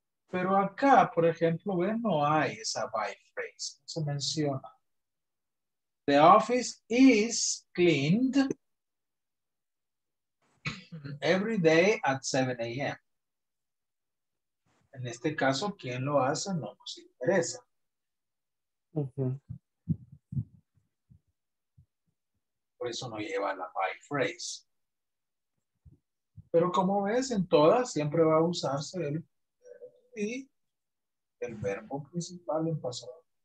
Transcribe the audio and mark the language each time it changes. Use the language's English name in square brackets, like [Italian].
[Spanish] Pero acá, por ejemplo, no hay esa by phrase. No se menciona. [English] The office is cleaned every day at 7 a.m. [Spanish] En este caso, quién lo hace no nos interesa. Uh-huh. Por eso no lleva la by phrase. Pero como ves, en todas siempre va a usarse el verbo principal en pasado.